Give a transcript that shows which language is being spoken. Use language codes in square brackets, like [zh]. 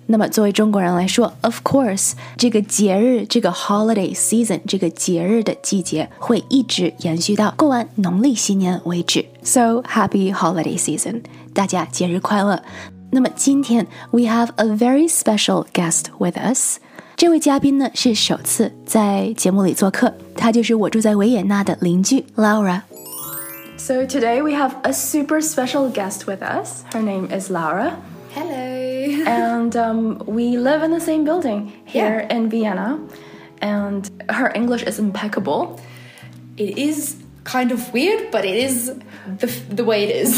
[zh] 那么作为中国人来说 , [en] of course, [zh] 这个节日这个 [en] holiday season, [zh] 这个节日的季节会一直延续到过完农历新年为止。 [en] So, happy holiday season. [zh] 大家节日快乐。那么今天 [en] we have a very special guest with us. [zh] 这位嘉宾呢是首次在节目里做客，他就是我住在维也纳的邻居 Laura。 [en] So today we have a super special guest with us. Her name is Laura. Hello. And we live in the same building here、yeah. in Vienna. And her English is impeccable. It is kind of weird, but it is the way it is.